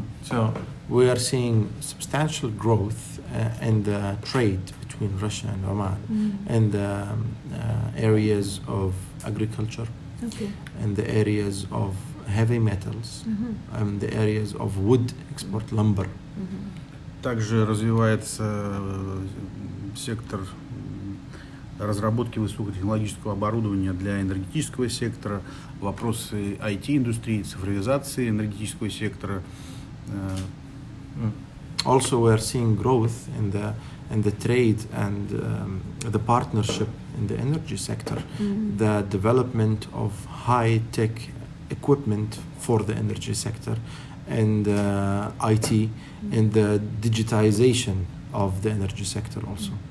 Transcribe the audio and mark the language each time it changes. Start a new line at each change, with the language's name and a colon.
English: So we are seeing substantial growth in the trade between Russia and Oman in the areas of agriculture, in the areas of heavy metals, in the areas of wood export, lumber.
Russian: Также развивается сектор разработки высокотехнологического оборудования для энергетического сектора, вопросы IT-индустрии, цифровизации энергетического сектора.
English: Also, we are seeing growth in the trade and the partnership in the energy sector, the development of high tech equipment for the energy sector, and IT, and the digitization of the energy sector also.